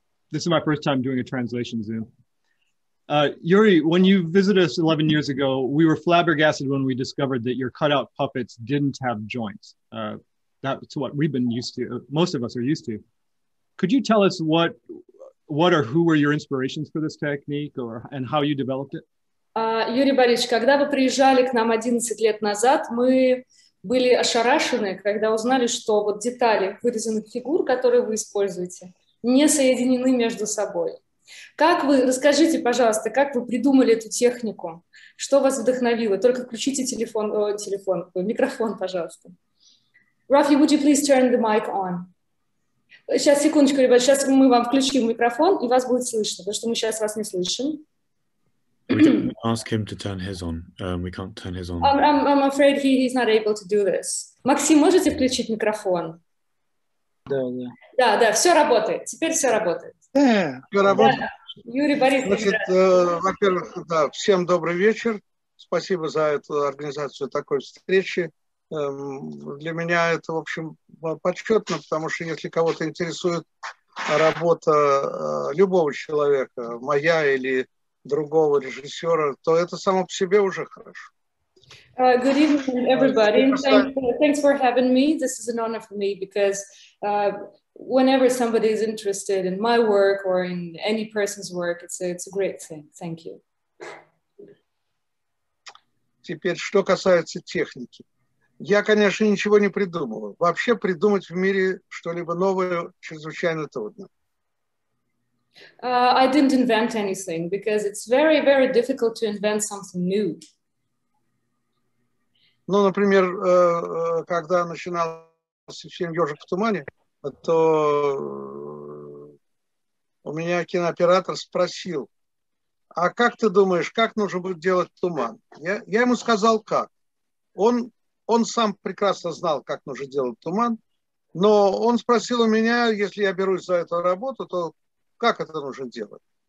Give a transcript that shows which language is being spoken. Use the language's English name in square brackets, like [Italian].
[English] This is my first time doing a translation Zoom. Yuri, when you visited us 11 years ago, we were flabbergasted when we discovered that your cutout puppets didn't have joints. That's what we've been used to, most of us are used to. Could you tell us what or who were your inspirations for this technique and how you developed it? [Russian] Юрий Борисович, когда вы приезжали к нам 11 лет назад, мы были ошарашены, когда узнали, что вот детали вырезанных фигур, которые вы используете, не соединены между собой. Как вы, расскажите, пожалуйста, как вы придумали эту технику? Что вас вдохновило? Только включите микрофон, пожалуйста. [English] Рафи, would you please turn the mic on? [Russian] Сейчас, секундочку, ребят, сейчас мы вам включим микрофон, и вас будет слышно, потому что мы сейчас вас не слышим. [English] Ask him to turn his on. We can't turn his on. I'm afraid he's not able to do this. [Russian] Максим, можете включить микрофон? Да. Да, все работает. Теперь все работает. Все работает. Да. Юрий Борисович. Значит, во-первых, да, всем добрый вечер. Спасибо за эту организацию такой встречи. Для меня это, в общем, почетно, потому что если кого-то интересует работа любого человека, моя или другого режиссера, то это само по себе уже хорошо. [English] Good evening, everybody. Thanks for having me. This is an honor for me because whenever somebody is interested in my work or in any person's work, it's a great thing. Thank you. [Russian] Теперь, что касается техники. Я, конечно, ничего не придумываю. Вообще придумать в мире что-либо новое чрезвычайно трудно. [English] I didn't invent anything because it's very, very difficult to invent something new. [Russian] Ну, например, когда начинался фильм «Ёжик в тумане», то у меня кинооператор спросил, а как ты думаешь, как нужно будет делать туман? Я ему сказал, как. Он сам прекрасно знал, как нужно делать туман, но он спросил у меня, если я берусь за эту работу, то как это нужно делать?